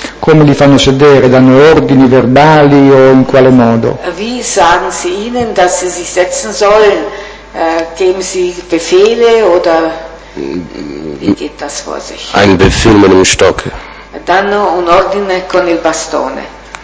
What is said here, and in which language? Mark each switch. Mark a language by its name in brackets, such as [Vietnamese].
[Italian] Come li fanno sedere? Danno ordini verbali o in quale modo? [German] Wie sagen sie ihnen, dass sie sich setzen sollen? Geben sie Befehle oder wie geht das vor sich? Ein Befehl mit dem Stock. [Italian] Danno un ordine con il bastone.